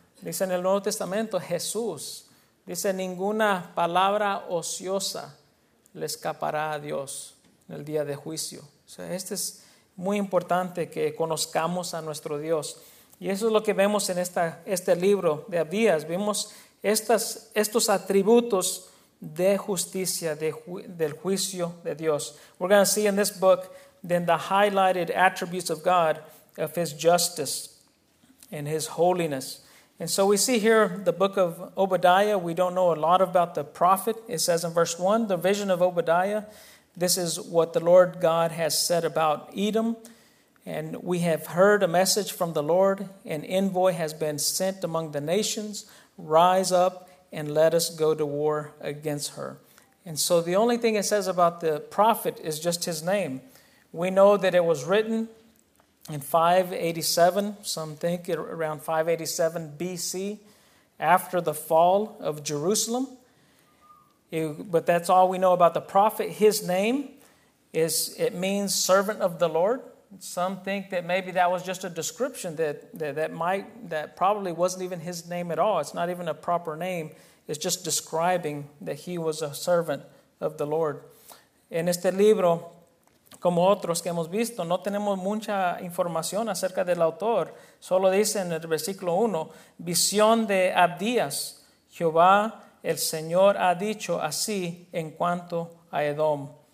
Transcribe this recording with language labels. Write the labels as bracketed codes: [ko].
[es] Dice en el Nuevo Testamento, Jesús, dice, ninguna palabra ociosa le escapará a Dios en el día de juicio. O sea, este es muy importante que conozcamos a nuestro Dios. Y eso es lo que vemos en este libro de Abías. Vemos estos atributos de justicia, del juicio de Dios. [en] We're going to see in this book then the highlighted attributes of God, of His justice and His holiness. And so we see here the book of Obadiah. We don't know a lot about the prophet. It says in verse 1, the vision of Obadiah. This is what the Lord God has said about Edom. And we have heard a message from the Lord. An envoy has been sent among the nations. Rise up and let us go to war against her. And so the only thing it says about the prophet is just his name. We know that it was written in 587, some think around 587 BC, after the fall of Jerusalem. But that's all we know about the prophet. His name it means servant of the Lord. Some think that maybe that was just a description that probably wasn't even his name at all. It's not even a proper name. It's just describing that he was a servant of the Lord. [es] En este libro, como otros que hemos visto, no tenemos mucha información acerca del autor. Solo dice en el versículo 1, visión de Abdías, Jehová el Señor ha dicho así en cuanto a Edom.